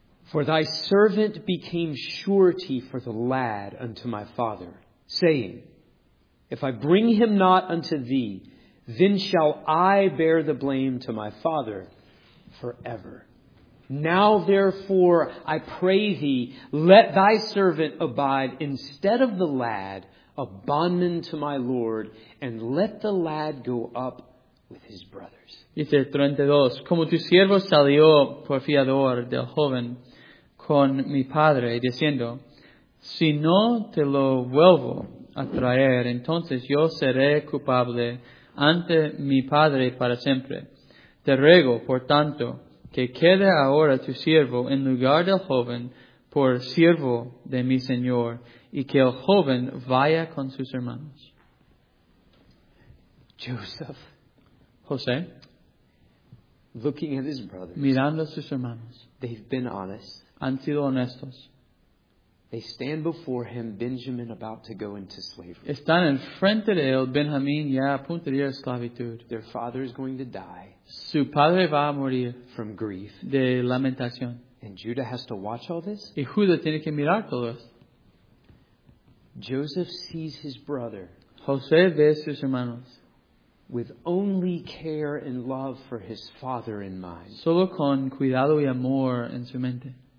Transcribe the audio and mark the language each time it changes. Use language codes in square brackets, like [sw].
[en] For thy servant became surety for the lad unto my father, saying, If I bring him not unto thee, then shall I bear the blame to my father forever. Now therefore, I pray thee, let thy servant abide instead of the lad, a bondman to my Lord, and let the lad go up with his brothers. [es] Dice 32, como tu siervo salió por fiador del joven con mi padre, diciendo, si no te lo vuelvo a traer, entonces yo seré culpable ante mi padre para siempre. Te ruego, por tanto, que quede ahora tu siervo en lugar del joven por siervo de mi señor, y que el joven vaya con sus hermanos. [en] Joseph. [es] José. [en] Looking at his brothers. [es] Mirando a sus hermanos. [en] They've been honest. [es] Han sido honestos. [en] They stand before him, Benjamin about to go into slavery. [es] Están en frente de él, Benjamín ya a punto de ir a esclavitud. [en] Their father is going to die. [es] Su padre va a morir. [en] From grief. [es] De lamentación. [en] And Judah has to watch all this. [es] Y Judah tiene que mirar todo esto. [en] Joseph sees his brother. [es] José ve sus hermanos. [en] With only care and love for his father in mind. [es] Solo con cuidado y amor en su mente.